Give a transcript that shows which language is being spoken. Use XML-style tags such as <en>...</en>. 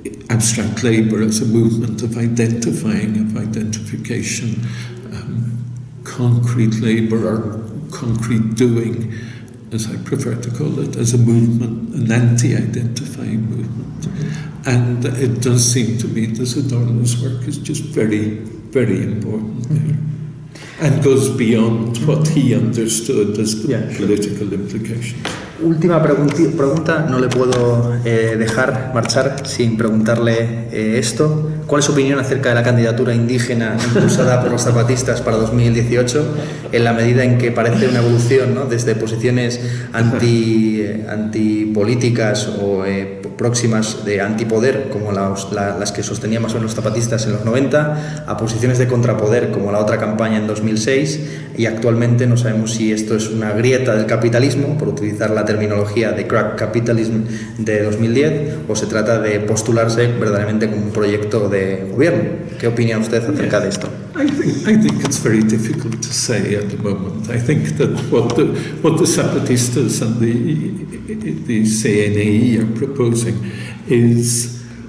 <en>abstract labor as a movement of identifying, of identification, concrete labor or concrete doing, as I prefer to call it, as a movement, an anti-identifying movement. Mm-hmm. And it does seem to me that Adorno's work is just very, very important there. Mm-hmm. And goes beyond what he understood as the political implications.</en> <es>Última pregunta, no le puedo dejar marchar sin preguntarle esto. ¿Cuál es su opinión acerca de la candidatura indígena impulsada por los zapatistas para 2018, en la medida en que parece una evolución, ¿no?, desde posiciones antipolíticas o próximas de antipoder, como las que sostenía más o menos los zapatistas en los 90, a posiciones de contrapoder, como la otra campaña en 2006, y actualmente no sabemos si esto es una grieta del capitalismo, por utilizar la terminología de crack capitalism de 2010, o se trata de postularse verdaderamente como un proyecto de gobierno? ¿Qué opina usted acerca de esto?</es> <en>I think it's very difficult to say at the moment. I think that what the Zapatistas and the CNE are proposing is</en>